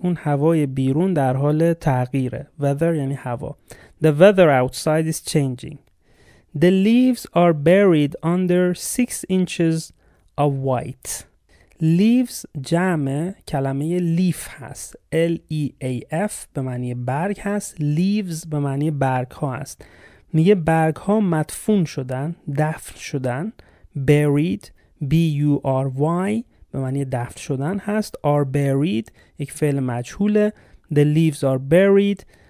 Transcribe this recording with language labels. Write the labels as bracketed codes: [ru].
[fa] اون هوای بیرون در حال تغییره. Weather یعنی هوا. [en] The weather outside is changing. The leaves are buried under 6 inches of white. [fa] Leaves جمع کلمه leaf هست. L-E-A-F به معنی برگ هست. Leaves به معنی برگ ها هست. میگه برگ ها مدفون شدن، دفن شدن. Buried, B-U-R-Y به معنی دفن شدن هست. Are buried یک فعل مجهوله. [en] The leaves are buried